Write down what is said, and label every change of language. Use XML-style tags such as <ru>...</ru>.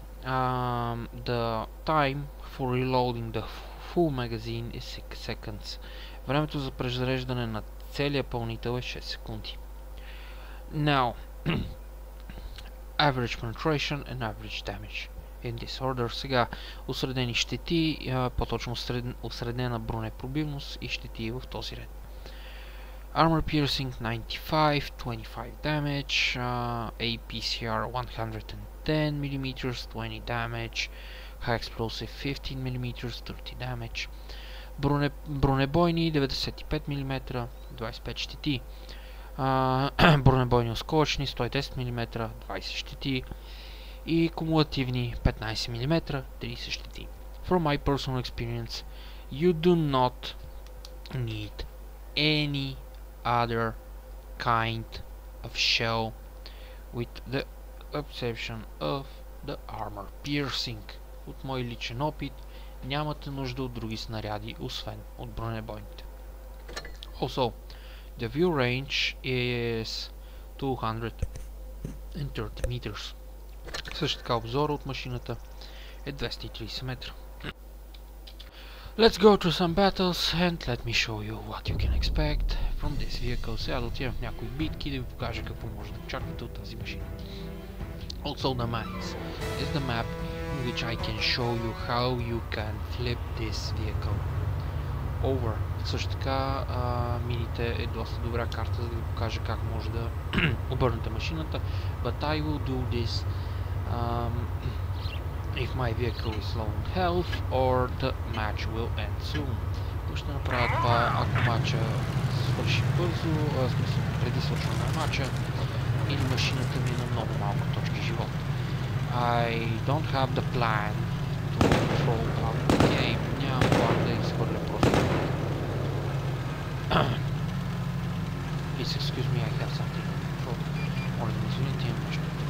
<en>The time for reloading the full magazine is 6 seconds.</en> <bg>Времето за презареждане на целия пълнител е 6 секунди.</bg> <en>Now, average penetration and average damage in this order.</en> <bg>Сега, осредени щети, по-точно осреднена бронепробивност и щети в този ред.</bg> <en>Armor piercing 95, 25 damage, APCR 110 mm, 20 damage, high explosive 15 mm, 30 damage,</en> <bg>бронебойни 95 mm, 25 щети, бронебойни осколъчни 110 mm, 20 щети и кумулативни 15 mm, 30 щети.</bg> <en>From my personal experience, you do not need any other kind of shell with the exception of the armor piercing.</en> <bg>От мой личен опит нямате нужда от други снаряди освен от бронебойните.</bg> <en>Also, the view range is 230 meters.</en> <bg>Също така обзора от машината е 230 метра.</bg> <en>Let's go to some battles and let me show you what you can expect from this vehicle.</en> <bg>Сега да отидем в някои битки и да ви покажа какво може да очаквате от тази машина.</bg> <en>Also, the mines is the map in which I can show you how you can flip this vehicle over.</en> <bg>Също така, мините е доста добра карта, за да ви покажа как може да обърнете машината.</bg> <en>But I will do this if my vehicle is low on health or the match will end soon.</en> <bg>Какво ще направя това, ако мача свърши бързо, смисъл преди свършване на мача, или машината ми е на много малко точки живот.</bg> <en>I don't have the plan to control out the game.</en> <bg>Нямам план да изхвърля просто.</bg> <en>Please excuse me, I have something to control.</en> <bg>Може да ми извините, имам нещо.</bg>